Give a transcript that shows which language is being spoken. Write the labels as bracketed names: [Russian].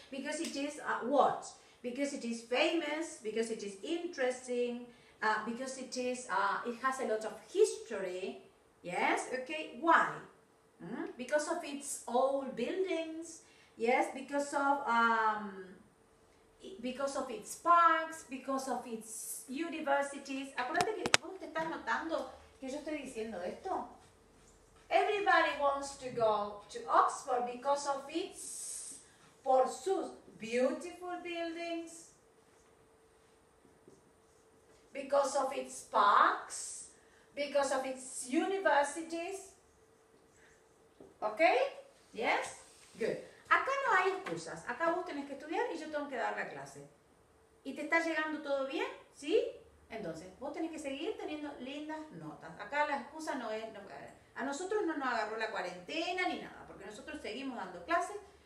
[English] Because it is what? Because it is famous, because it is interesting, because it is it has a lot of history. Yes? Okay? Why? Because of its old buildings, yes, because of its parks, because of its universities. [Spanish] Acuérdate que vos te estás notando que yo estoy diciendo esto. [English] Everybody wants to go to Oxford because of its, [Spanish] por sus [English] beautiful buildings, because of its parks, because of its universities. Okay? Yes? Good. [Spanish] Acá no hay excusas. Acá vos tenés que estudiar y yo tengo que dar la clase. ¿Y te está llegando todo bien? ¿Sí? Entonces, vos tenés que seguir teniendo lindas notas. Acá la excusa no es... No, a nosotros no nos agarró la cuarentena ni nada, porque nosotros seguimos dando clases.